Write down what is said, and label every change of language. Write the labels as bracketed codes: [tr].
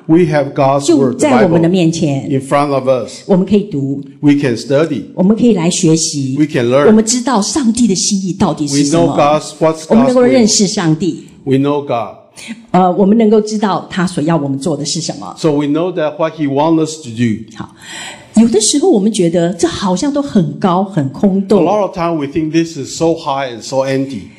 [en] We have God's word. [zh] 就在我们的面前。 [en] In front of us. [zh] 我们可以读。 [en] We can study. [zh] 我们可以来学习。 [en] We can learn. [zh] 我们知道上帝的心意到底是什么。 [en] We know God's what's God's will. [zh] 我们能够认识上帝。 [en] We know God. [zh] 我们能够知道他所要我们做的是什么。 [en] So we know that what he wants us to do. [zh] 好，有的时候我们觉得这好像都很高很空洞。 [en] A lot of time we think this is so high and so empty.